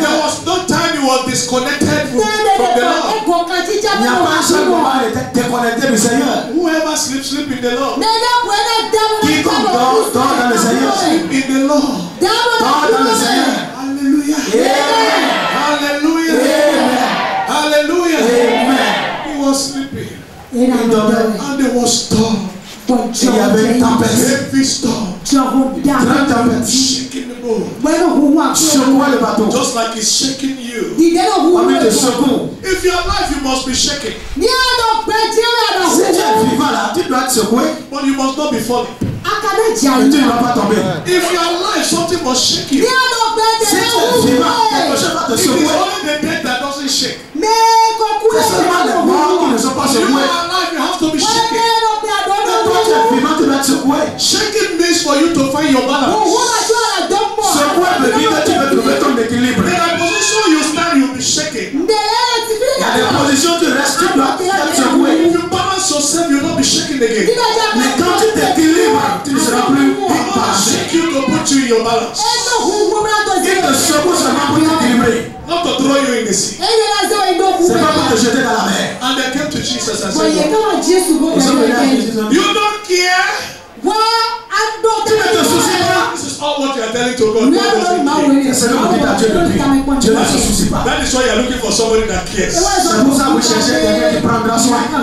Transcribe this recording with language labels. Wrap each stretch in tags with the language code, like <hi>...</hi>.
<en>There was no time he was disconnected from the Lord.</en> <fr>Il n'y a pas un seul moment il était déconnecté du Seigneur.</fr> <en>Whoever sleep in the Lord.</en> <fr>Mais quiconque dort dans le Seigneur.</fr> <en>Sleep in the Lord.</en> <fr>Dort dans le Seigneur. Hallelujah. Yeah. Hallelujah. Yeah. Hallelujah. Amen.</fr> <en>He was sleeping.</en> <fr>Il dormait.</fr> <en>And there was storm.</en> <fr>Et il y avait une tempête.</fr> <en>Heavy storm.</en> <fr>Grande tempête.</fr> <en>Shaking the boat.</en> <fr>Well, secouant le bateau.</fr> <en>Just like it's shaking you.</en> <fr>Il y a des secours.</fr> <en>If you are alive, you must be shaking.</en> <fr>Si tu es vivant là, tu dois être secoué.</fr> <en>But you must not be falling.</en> <fr>Et tu ne vas pas tomber.</fr> <en>If you are alive, something must shake you.</en> <fr>tu es vivant, quelque chose va te secouer.</fr> <en>It is only the dead that doesn't shake.</en> <fr>C'est seulement les morts qui ne sont pas secoués. Quand tu es vivant, tu dois être secoué.</fr> <en>Shaking means for you to find your balance.</en> <fr>Secoué veut dire que tu veux trouver ton équilibre. Dans la position où tu</fr> <en>stands, you'll be shaking.</en> <fr>Il y a des positions où tu restes, tu dois être secoué.</fr> <en>If you balance yourself, you'll not be shaking again.</en> <fr>Mais quand tu t'équilibres, tu ne seras plus balancé.</fr> <en>He shake you to put you in your balance.</en> <fr>Il te secoue seulement pour t'équilibrer.</fr> <en>Not to throw you in the sea.</en> <fr>C'est pas pour te jeter dans la mer.</fr> <en>And they came to Jesus and said, you don't care. What? I don't care. This is all what you are telling to God. God doesn't care. That is why you are looking for somebody that cares.</en> <fr>C'est pour ça que vous cherchez quelqu'un qui prendra soin.</fr>